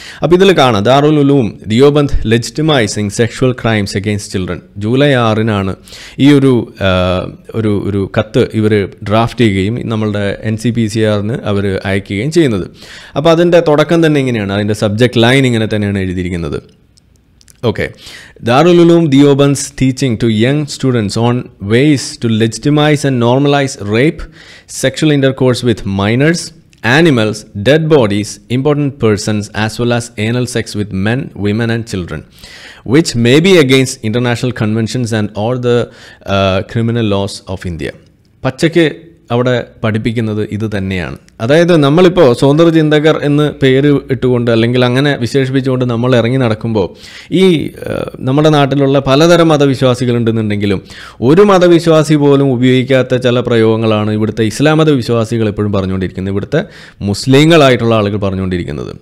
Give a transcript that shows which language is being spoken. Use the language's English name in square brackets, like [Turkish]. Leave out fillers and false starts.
[Malayalam] അപ്പോൾ ഇതിൽ കാണാം, ദാറുൽ Uloom Deoband [English] legitimising sexual crimes against children, [Malayalam] July 6 ഈ ഒരു കത്ത് ഇവർ ഡ്രാഫ്റ്റ് ചെയ്യുകയും നമ്മളുടെ NCPCRന് അവർ അയക്കുകയും ചെയ്യുന്നത്. അപ്പോൾ അതിൻ്റെ തുടക്കം തന്നെ ഇങ്ങനെയാണ്, അതിൻ്റെ സബ്ജക്ട് ലൈൻ ഇങ്ങനെ തന്നെയാണ് എഴുതിയിരിക്കുന്നത്. [English] Okay, Darul Uloom Deoband's teaching to young students on ways to legitimize and normalize rape, sexual intercourse with minors, animals, dead bodies, important persons, as well as anal sex with men, women and children, which may be against international conventions and all the criminal laws of India. [Malayalam] Pachake അവിടെ പഠിപ്പിക്കുന്നത് ഇത് തന്നെയാണ്. അതായത് നമ്മളിപ്പോൾ സ്വതന്ത്ര ചിന്തകർ എന്ന് പേര് ഇട്ടുകൊണ്ട് അല്ലെങ്കിൽ അങ്ങനെ വിശേഷിപ്പിച്ചുകൊണ്ട് നമ്മൾ ഇറങ്ങി നടക്കുമ്പോൾ ഈ നമ്മുടെ നാട്ടിലുള്ള പലതരം മതവിശ്വാസികളുണ്ടെന്നുണ്ടെങ്കിലും ഒരു മതവിശ്വാസി പോലും ഉപയോഗിക്കാത്ത ചില പ്രയോഗങ്ങളാണ് ഇവിടുത്തെ ഇസ്ലാം മതവിശ്വാസികൾ എപ്പോഴും പറഞ്ഞുകൊണ്ടിരിക്കുന്നത്, ഇവിടുത്തെ മുസ്ലിങ്ങളായിട്ടുള്ള ആളുകൾ പറഞ്ഞുകൊണ്ടിരിക്കുന്നത്.